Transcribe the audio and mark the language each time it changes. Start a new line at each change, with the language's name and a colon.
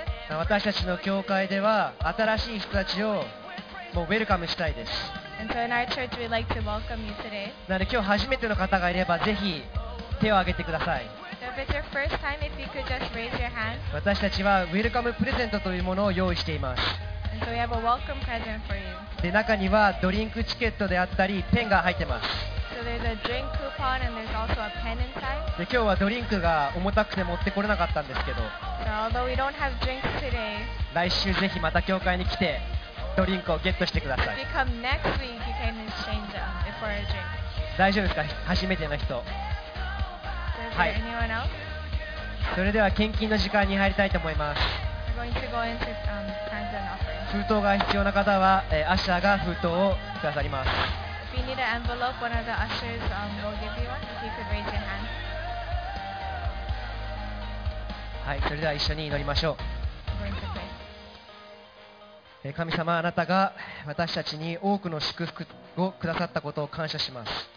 Japanese: 私たちの教会では新しい人たちをもうウェルカムしたいです。
English: And so in our church, we'd like to welcome you today.
Japanese: なので今日初めての方がいればぜひ手を挙げてください。
English: So if it's your first time, if you could just raise your hand.
Japanese: 私たちはウェルカムプレゼントというものを用意しています。
English: And so we have a welcome present for you.
Japanese: で、中にはドリンクチケットであったりペンが入ってます。
English: So there's a drink coupon and there's also a pen inside.
Japanese: で、今日はドリンクが重たくて持ってこれなかったんですけど、
English: So although we don't have drinks today,
Japanese: 来週ぜひまた教会に来てドリンクをゲットしてください。
English: If you come next week, you can exchange them for a drink.
Japanese: 大丈夫ですか？初めての人。
English: はい。Anyone else?
Japanese: それでは献金の時間に入りたいと思います。
English: We're going to go into tithes and offerings.
Japanese: 封筒が必要な方は、アッシャーが封筒をくださります。
English: If you need an envelope, one of the ushers will give you one. If you could raise your hand.
Japanese: はい、それでは一緒に祈りましょう。神様、あなたが私たちに多くの祝福をくださったことを感謝します。